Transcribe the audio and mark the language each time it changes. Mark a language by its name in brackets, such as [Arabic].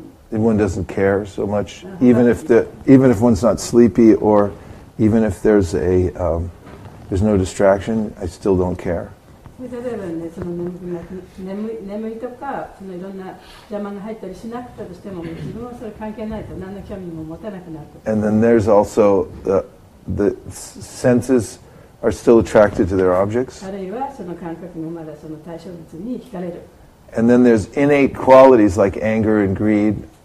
[English] One doesn't care so much, even if one's not sleepy, or even if there's a there's no distraction, I still don't care. [Japanese] 例えばね、その眠いとか、そのいろんな邪魔が入ったりしなくたとしても、自分はそれ関係ないと、何の興味も持たなくなると。 [English] And then there's also the senses are still attracted to their objects. [Japanese] あるいはその感覚もまだその対象物に惹かれる。 [English] And then there's innate qualities like anger and greed.